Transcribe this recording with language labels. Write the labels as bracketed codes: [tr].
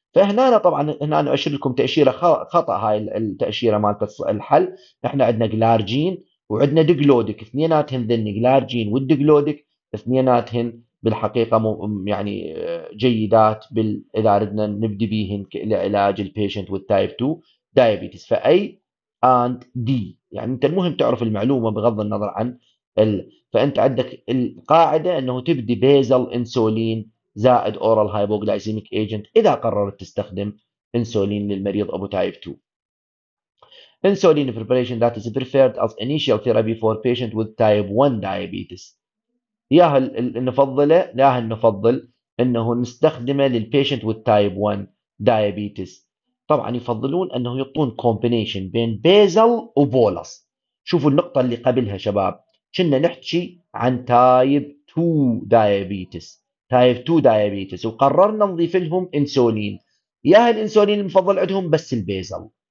[ar] فهنا طبعا هنا أشير لكم تأشيرة خطأ، هاي التأشيرة مالت الحل، احنا عندنا جلارجين وعندنا دجلودك، اثنيناتهم ذن جلارجين والدجلودك اثنيناتهم بالحقيقة يعني جيدات إذا عدنا نبدي بيهن لعلاج البيشنت والتايب 2 دايابيتس، فأي and دي. يعني انت المهم تعرف المعلومة بغض النظر عن فأنت عندك القاعدة انه تبدي بيزل انسولين زائد oral hypoglycemic agent إذا قررت تستخدم إنسولين للمريض أبو تايب 2. [en] Insulin preparation that is preferred as initial therapy for patient with type 1 diabetes. [ar] ياهل نفضله، ياهل نفضل أنه نستخدمه للpatient with type 1 diabetes. طبعا يفضلون أنه يعطون combination بين basal و bolus. شوفوا النقطة اللي قبلها شباب، كنا نحكي عن type 2 diabetes، تايب 2 دايابيتس، وقررنا نضيف لهم انسولين، يا الانسولين المفضل عندهم بس البيزل.